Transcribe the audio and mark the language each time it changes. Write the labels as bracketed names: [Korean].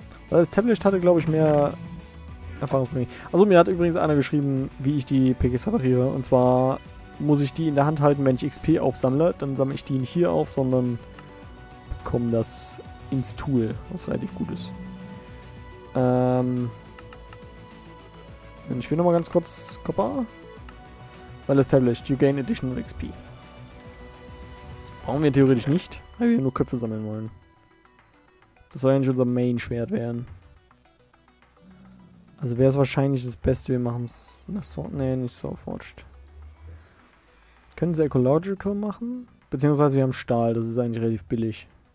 [German] Well established hatte, glaube ich, mehr Erfahrungspunkte. Also mir hat übrigens einer geschrieben, wie ich die PKs repariere. Und zwar muss ich die in der Hand halten, wenn ich XP aufsammle. Dann sammle ich die nicht hier auf, sondern bekomme das ins Tool, was relativ gut ist. Ich will nochmal ganz kurz Kappa. [English] Well established, you gain additional XP. [German] Brauchen wir theoretisch nicht, weil wir nur Köpfe sammeln wollen. Das soll ja nicht unser Main-Schwert werden. Also wäre es wahrscheinlich das Beste, wir machen es nach so. Nee, nicht so forged. Können sie ecological machen? Beziehungsweise wir haben Stahl, das ist eigentlich relativ billig.